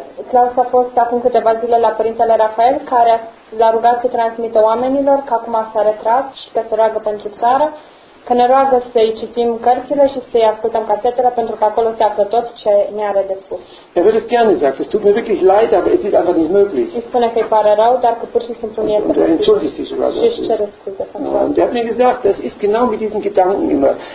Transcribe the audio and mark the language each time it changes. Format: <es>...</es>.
<ro>Klaus a fost acum câteva zile la Părintele Rafael, care l-a rugat să transmită oamenilor că acum s-a retras și că se roagă pentru țară. Că ne roagă să-i citim cărțile și să-i ascultăm casetele, pentru că acolo se află tot ce ne are de spus.</ro> <de>Er würde es gerne sagen, es tut mir wirklich leid, aber es ist einfach nicht möglich.</de> <ro>Îi spune că îi pare rău, dar că pur și simplu nu este posibil.</ro> <de>Entschuldigt sich sogar.</de> <ro>Și își cere scuze.</ro> <de>Der hat mir gesagt, das ist genau mit diesen Gedanken immer.</de>